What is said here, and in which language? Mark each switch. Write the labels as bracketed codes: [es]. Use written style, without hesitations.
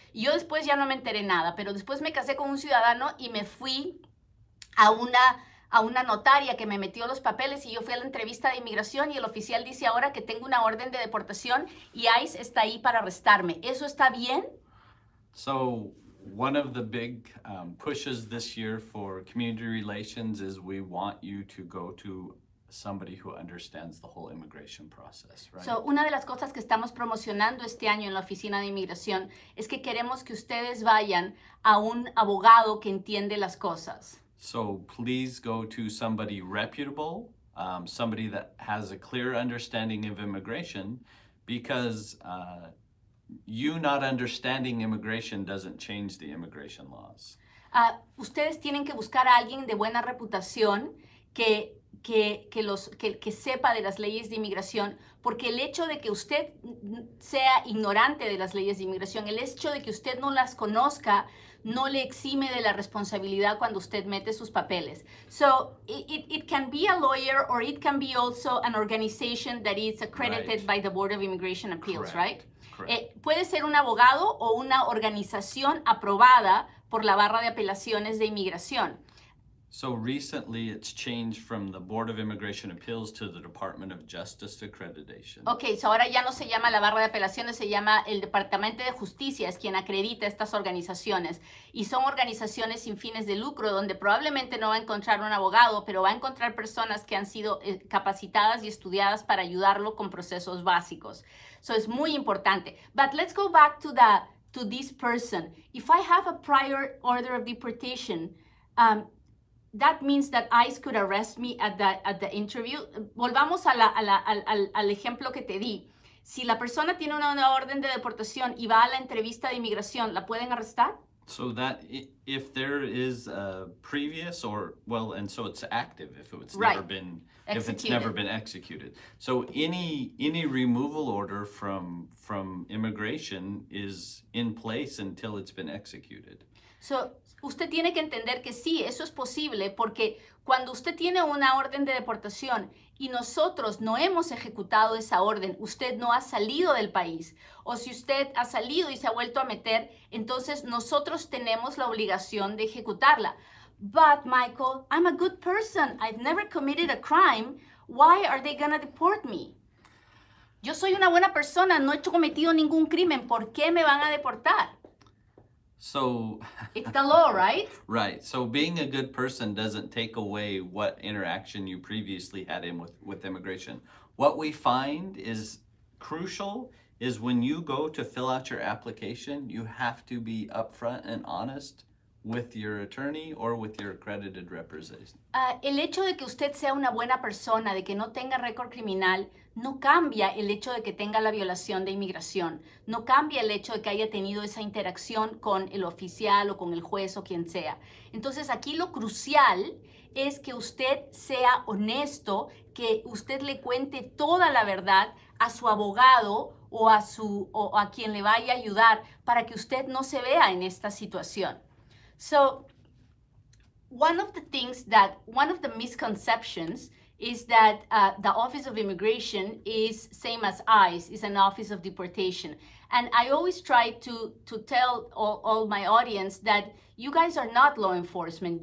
[es] Y yo después ya no me enteré nada, pero después me casé con un ciudadano y me fui a una notaria que me metió los papeles y yo fui a la entrevista de inmigración y el oficial dice ahora que tengo una orden de deportación y ICE está ahí para arrestarme. ¿Eso está bien? [en] So, one of the big pushes this year for community relations is we want you to go to somebody who understands the whole immigration process, right? [es] So, una de las cosas que estamos promocionando este año en la oficina de inmigración es que queremos que ustedes vayan a un abogado que entiende las cosas. [en] So, please go to somebody reputable, somebody that has a clear understanding of immigration, because you not understanding immigration doesn't change the immigration laws. [es] Ustedes tienen que buscar a alguien de buena reputación que sepa de las leyes de inmigración, porque el hecho de que usted sea ignorante de las leyes de inmigración, el hecho de que usted no las conozca, no le exime de la responsabilidad cuando usted mete sus papeles. [en] So, it can be a lawyer or it can be also an organization that is accredited right. by the Board of Immigration Appeals, Correct. Right? Correct. [es] Puede ser un abogado o una organización aprobada por la barra de apelaciones de inmigración. [en] So recently it's changed from the Board of Immigration Appeals to the Department of Justice Accreditation. [es] Okay, so ahora ya no se llama la barra de apelaciones, se llama el Departamento de Justicia, es quien acredita estas organizaciones. Y son organizaciones sin fines de lucro, donde probablemente no va a encontrar un abogado, pero va a encontrar personas que han sido capacitadas y estudiadas para ayudarlo con procesos básicos. [en] So [es] es muy importante. [en] But let's go back to this person. If I have a prior order of deportation, that means that ICE could arrest me at the interview. [es] Volvamos al ejemplo que te di. Si la persona tiene una orden de deportación y va a la entrevista de inmigración, ¿la pueden arrestar? [en] So that if there is a previous or well, and so it's active if it's right. never been executed. If it's never been executed. So any removal order from immigration is in place until it's been executed. [es] So, usted tiene que entender que sí, eso es posible, porque cuando usted tiene una orden de deportación y nosotros no hemos ejecutado esa orden, usted no ha salido del país, o si usted ha salido y se ha vuelto a meter, entonces nosotros tenemos la obligación de ejecutarla. [en] But, Michael, I'm a good person. I've never committed a crime. Why are they gonna deport me? [es] Yo soy una buena persona, no he cometido ningún crimen. ¿Por qué me van a deportar? [en] So, it's the law, right? Right. So being a good person doesn't take away what interaction you previously had in with immigration. What we find is crucial is when you go to fill out your application, you have to be upfront and honest with your attorney or with your accredited representative. [es] El hecho de que usted sea una buena persona, de que no tenga récord criminal, no cambia el hecho de que tenga la violación de inmigración. No cambia el hecho de que haya tenido esa interacción con el oficial o con el juez o quien sea. Entonces, aquí lo crucial es que usted sea honesto, que usted le cuente toda la verdad a su abogado o a quien le vaya a ayudar para que usted no se vea en esta situación. [en] So, one of the misconceptions is that the Office of Immigration is same as ICE, is an office of deportation. And I always try to tell all my audience that you guys are not law enforcement.